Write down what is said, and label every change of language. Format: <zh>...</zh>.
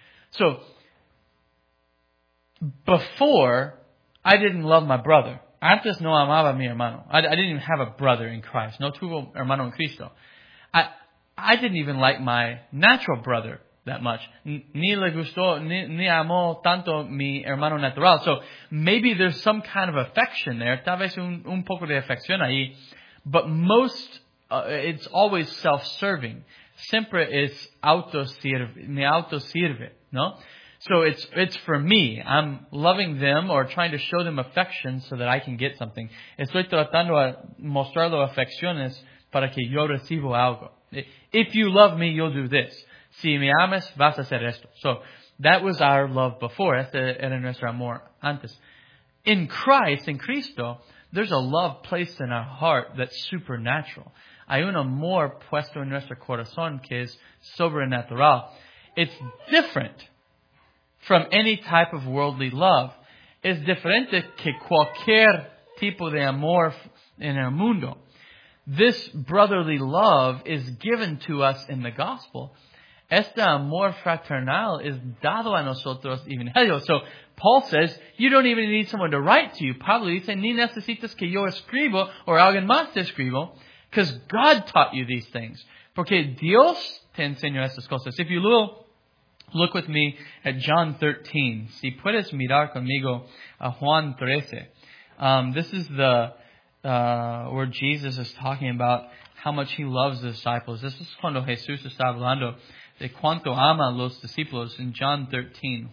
<en>So, before, I didn't love my brother.</en> <es>Antes no amaba mi hermano.</es> <en>I didn't even have a brother in Christ.</en> <es>No tuvo hermano en Cristo.</es> <en>I didn't even like my natural brother that much.</en> <es>Ni le gustó, ni amó tanto mi hermano natural.</es> <en>So maybe there's some kind of affection there.</en> <es>Tal vez un poco de afección ahí.</es> <en>But most, it's always self-serving.</en> <es>Siempre es me autosirve, ¿no?</es> <en>So it's for me. I'm loving them or trying to show them affection so that I can get something.</en> <es>Estoy tratando de mostrarlo afecciones para que yo recibo algo.</es> <en>If you love me, you'll do this.</en> <es>Si me amas, vas a hacer esto.</es> <en>So that was our love before.</en> <es>Este era nuestro amor antes.</es> <en>In Christ, in Cristo, there's a love placed in our heart that's supernatural.</en> <es>Hay un amor puesto en nuestro corazón que es sobrenatural.</es> <en>It's different from any type of worldly love.</en> <es>Es diferente que cualquier tipo de amor en el mundo.</es> <en>This brotherly love is given to us in the gospel.</en> <es>Este amor fraternal es dado a nosotros evangelio.</es> <en>So Paul says, you don't even need someone to write to you.</en> <es>Pablo dice, ni necesitas que yo escribo o alguien más te escribo.</es> <en>Because God taught you these things.</en> <es>Porque Dios te enseñó estas cosas.</es> <en>If you will, look with me at John 13.</en> <es>Si puedes mirar conmigo a Juan 13.</es> <en>This is the where Jesus is talking about how much he loves the disciples. This is</en> <es>cuando Jesús está hablando de cuánto ama los discípulos</es> <en>in John 13.</en>